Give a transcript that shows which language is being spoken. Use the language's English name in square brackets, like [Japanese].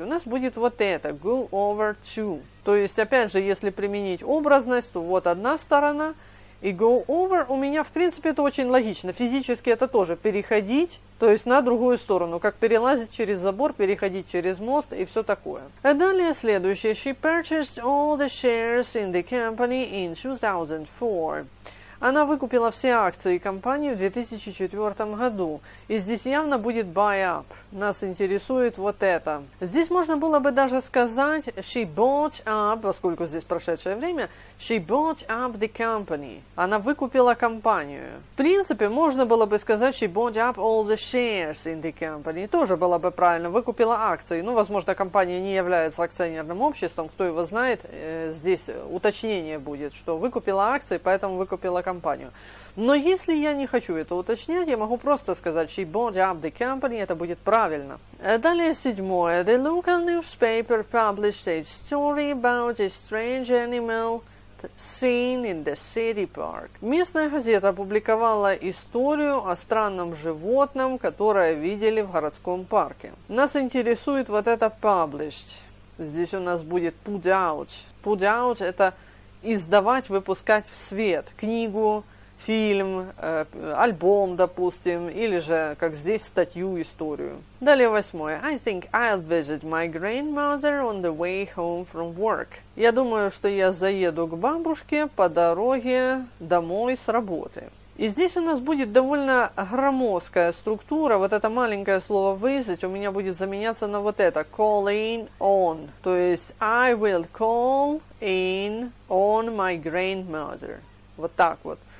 [Russian] У нас будет вот это, go over to. То есть, опять же, если применить образность, то вот одна сторона. И go over у меня, в принципе, это очень логично. Физически это тоже переходить. То есть на другую сторону, как перелазить через забор, переходить через мост и все такое. А далее следующее. [English] She purchased all the shares in the company in 2004. [Russian] Она выкупила все акции компании в 2004 году. И здесь явно будет buy up. Нас интересует вот это. Здесь можно было бы даже сказать she bought up, поскольку здесь прошедшее время, [English] she bought up the company. [Russian] Она выкупила компанию. В принципе, можно было бы сказать [English] she bought up all the shares in the company. [Russian] Тоже было бы правильно. Выкупила акции. Ну, возможно, компания не является акционерным обществом. Кто его знает, здесь уточнение будет, что выкупила акции, поэтому выкупила компанию. Но если я не хочу это уточнять, я могу просто сказать [English] she bought up the company, [Russian] это будет правильно. Далее седьмое. [English] The local newspaper published a story about a strange animal seen in the city park. [Russian] Местная газета опубликовала историю о странном животном, которое видели в городском парке. Нас интересует вот это published. Здесь у нас будет put out. put out – это издавать, выпускать в свет книгу, фильм, альбом, допустим, или же, как здесь, статью, историю. Далее восьмое. [English] I think I'll visit my grandmother on the way home from work. [Russian] Я думаю, что я заеду к бабушке по дороге домой с работы. И здесь у нас будет довольно громоздкая структура. Вот это маленькое слово visit у меня будет заменяться на вот это. [English] Calling on. [Russian] То есть [English] I will call in on my grandmother. [Russian] Вот так вот.